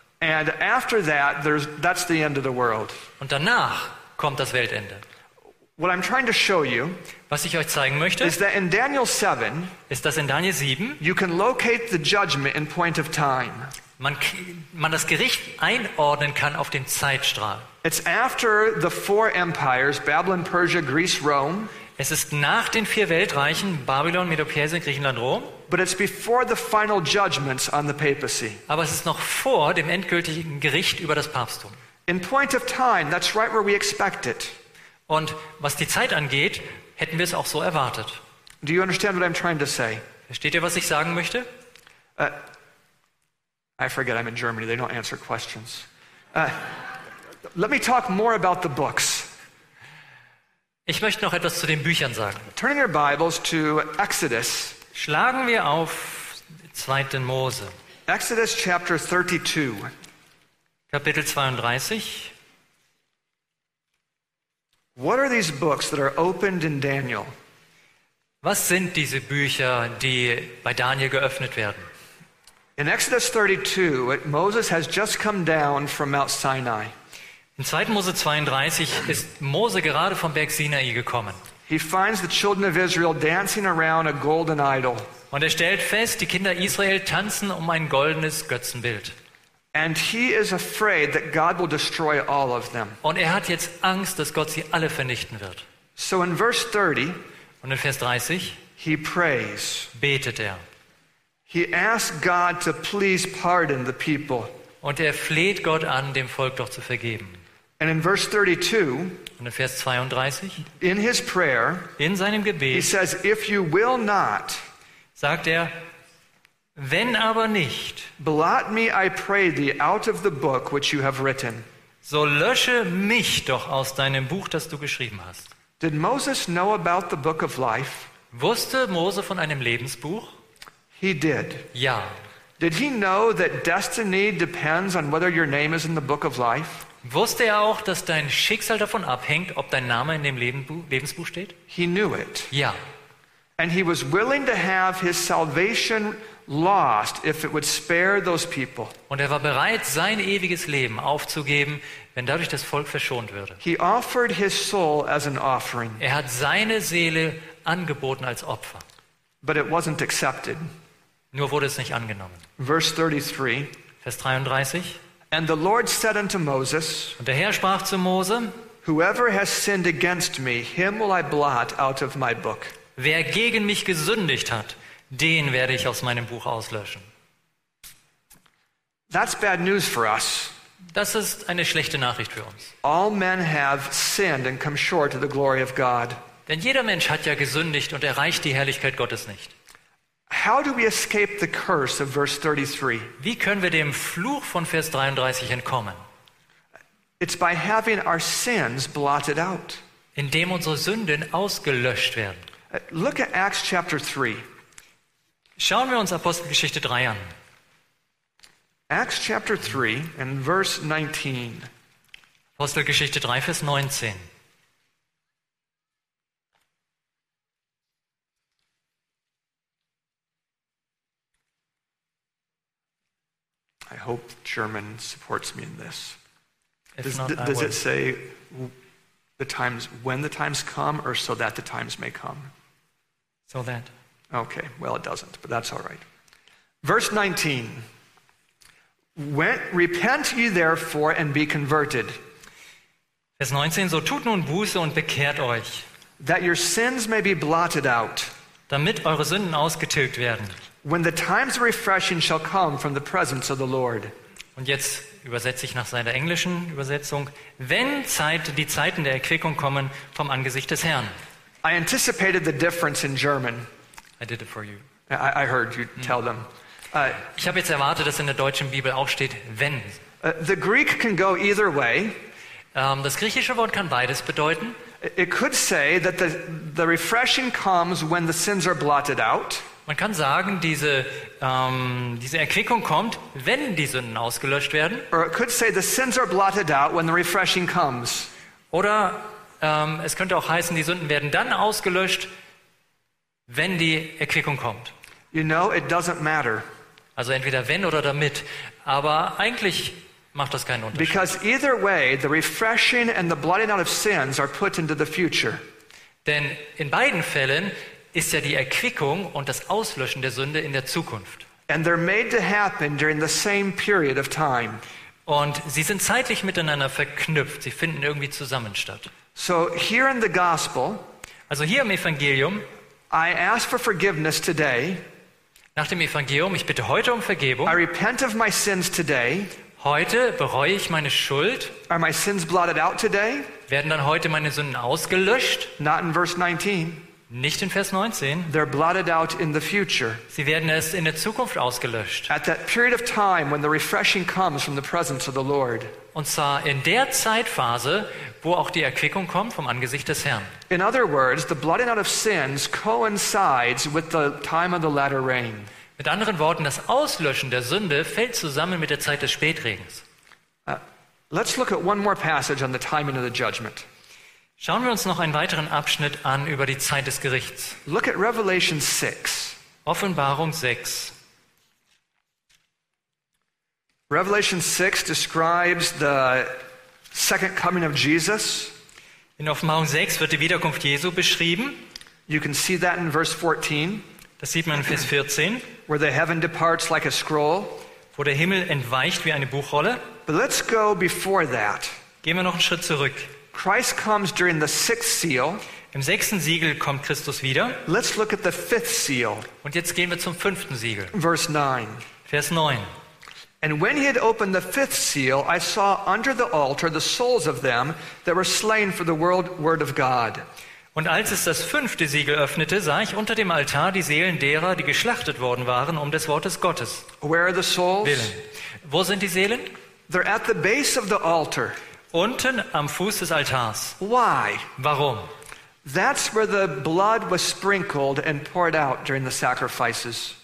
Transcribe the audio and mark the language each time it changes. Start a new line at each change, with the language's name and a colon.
English: And after that, that's the end of the world.
German: Und danach kommt das Weltende.
English: What I'm trying to show you,
German: was ich euch zeigen möchte,
English: is that in Daniel 7,
German: ist, dass in Daniel 7,
English: you can locate the judgment in point of time.
German: Man das Gericht einordnen kann auf den Zeitstrahl.
English: It's after the four empires, Babylon, Persia, Greece, Rome.
German: Es ist nach den vier Weltreichen, Babylon, Medo-Persien, Griechenland, Rom.
English: But it's before the final judgments on the papacy.
German: Aber es ist noch vor dem endgültigen Gericht über das Papsttum.
English: In point of time, that's right where we expect it.
German: Und was die Zeit angeht, hätten wir es auch so erwartet.
English: Do you understand what I'm trying to say?
German: Versteht ihr, was ich sagen möchte?
English: I forget I'm in Germany. They don't answer questions. Let me talk more about the books.
German: Ich möchte noch etwas zu den Büchern sagen.
English: Turn your Bibles to Exodus.
German: Schlagen wir auf 2. Mose.
English: Exodus chapter 32.
German: Kapitel 32.
English: What are these books that are opened in Daniel?
German: Was sind diese Bücher, die bei Daniel geöffnet werden?
English: In Exodus 32, Moses has just come down from Mount Sinai.
German: In 2. Mose 32 ist Mose gerade vom Berg Sinai gekommen.
English: He finds the children of Israel dancing around a golden idol.
German: Und er stellt fest, die Kinder Israel tanzen um ein goldenes Götzenbild.
English: And he is afraid that God will destroy all of them.
German: Und er hat jetzt Angst, dass Gott sie alle vernichten wird.
English: So in verse 30,
German: und in Vers 30,
English: he prays.
German: Betet er.
English: He asks God to please pardon the people.
German: Und er fleht Gott an, dem Volk doch zu vergeben.
English: And in verse 32,
German: und in Vers 32,
English: in his prayer,
German: in seinem Gebet,
English: he says, if you will not,
German: sagt er, wenn aber nicht,
English: blot me, I pray thee, out of the book which you have written.
German: So lösche mich doch aus deinem Buch, das du geschrieben hast.
English: Did Moses know about the book of life?
German: Wusste Mose von einem Lebensbuch?
English: He did.
German: Ja.
English: Did he know that destiny depends on whether your name is in the book of life?
German: Wusste er auch, dass dein Schicksal davon abhängt, ob dein Name in dem Lebensbuch steht?
English: He knew it.
German: Ja.
English: And he was willing to have his salvation lost if it would spare those people.
German: Und er war bereit, sein ewiges Leben aufzugeben, wenn dadurch das Volk verschont würde.
English: He offered his soul as an offering.
German: Er hat seine Seele angeboten als Opfer.
English: But it wasn't accepted.
German: Nur wurde es nicht angenommen.
English: Verse 33.
German: Vers 33.
English: And the Lord said unto Moses.
German: Und der Herr sprach zu Mose.
English: Whoever has sinned against me, him will I blot out of my book.
German: Wer gegen mich gesündigt hat, den werde ich aus meinem Buch auslöschen.
English: That's bad news for us.
German: Das ist eine schlechte Nachricht für uns.
English: All men have sinned and come short of the glory of God.
German: Denn jeder Mensch hat ja gesündigt und erreicht die Herrlichkeit Gottes nicht.
English: How do we escape the curse of verse 33?
German: Wie können wir dem Fluch von Vers 33 entkommen?
English: It's by having our sins blotted out.
German: Indem unsere Sünden ausgelöscht werden.
English: Look at Acts chapter 3.
German: Schauen wir uns Apostelgeschichte 3 an.
English: Acts chapter 3 and verse 19.
German: Apostelgeschichte 3 Vers 19.
English: I hope German supports me in this. Does it say the times when the times come or so that the times may come? So that. Okay, well it doesn't, but that's all right. Verse 19. Repent ye therefore and be converted.
German: Vers 19, so tut nun Buße und bekehrt euch.
English: That your sins may be blotted out.
German: Damit eure Sünden ausgetilgt werden.
English: When the times of refreshing shall come from the presence of the Lord.
German: Und jetzt übersetze ich nach seiner englischen Übersetzung, wenn die Zeiten der Erquickung kommen vom Angesicht des Herrn.
English: I anticipated the difference in German. I did it for you. I heard you tell them.
German: Ich habe jetzt erwartet, dass in der deutschen Bibel auch steht, wenn.
English: The Greek can go either way.
German: Das griechische Wort kann beides bedeuten.
English: It could say that the refreshing comes when the sins are blotted out.
German: Man kann sagen, diese Erquickung kommt, wenn die Sünden ausgelöscht werden.
English: Or it could say the sins are blotted out when the refreshing comes.
German: Oder es könnte auch heißen, die Sünden werden dann ausgelöscht, wenn die Erquickung kommt.
English: You know, it doesn't matter.
German: Also entweder wenn oder damit. Aber eigentlich macht das keinen Unterschied.
English: Because either way, the refreshing and the blotting out of sins are put into the future.
German: Denn in beiden Fällen ist ja die Erquickung und das Auslöschen der Sünde in der Zukunft.
English: And they're made to happen during the same period of time.
German: Und sie sind zeitlich miteinander verknüpft. Sie finden irgendwie zusammen statt.
English: So here in the gospel,
German: also hier im Evangelium,
English: I ask for forgiveness today.
German: Nach dem Evangelium, ich bitte heute um Vergebung.
English: I repent of my sins today.
German: Heute bereue ich meine Schuld.
English: Are my sins blotted out today?
German: Werden dann heute meine Sünden ausgelöscht?
English: Not in verse 19.
German: Nicht in Vers 19.
English: They're blotted out in the future.
German: Sie werden erst in der Zukunft ausgelöscht.
English: At that period of time when the refreshing comes from the presence of the Lord.
German: Und zwar in der Zeitphase, wo auch die Erquickung kommt vom Angesicht des Herrn.
English: In other words, the blotting out of sins coincides with the time of the latter rain.
German: Mit anderen Worten, das Auslöschen der Sünde fällt zusammen mit der Zeit des Spätregens.
English: Let's look at one more passage on the timing of the judgment.
German: Schauen wir uns noch einen weiteren Abschnitt an über die Zeit des Gerichts.
English: Look at Revelation 6.
German: Offenbarung 6.
English: Revelation 6 describes the second coming of Jesus.
German: In Offenbarung 6 wird die Wiederkunft Jesu beschrieben.
English: You can see that in verse 14.
German: Das sieht man in Vers 14.
English: Where the heaven departs like a scroll.
German: Wo der Himmel entweicht wie eine Buchrolle.
English: But let's go before that.
German: Gehen wir noch einen Schritt zurück.
English: Christ comes during the sixth seal.
German: Im sechsten Siegel kommt Christus wieder.
English: Let's look at the fifth seal.
German: Und jetzt gehen wir zum fünften Siegel.
English: Verse 9.
German: Vers 9.
English: And when he had opened the fifth seal, I saw under the altar the souls of them that were slain for the word of God.
German: Und als es das fünfte Siegel öffnete, sah ich unter dem Altar die Seelen derer, die geschlachtet worden waren um des Wortes Gottes.
English: Where are the souls?
German: Willen. Wo sind die Seelen?
English: They're at the base of the altar.
German: Unten am Fuß des Altars.
English: Why?
German: Warum?
English: That's where the blood was sprinkled and poured out during the sacrifices.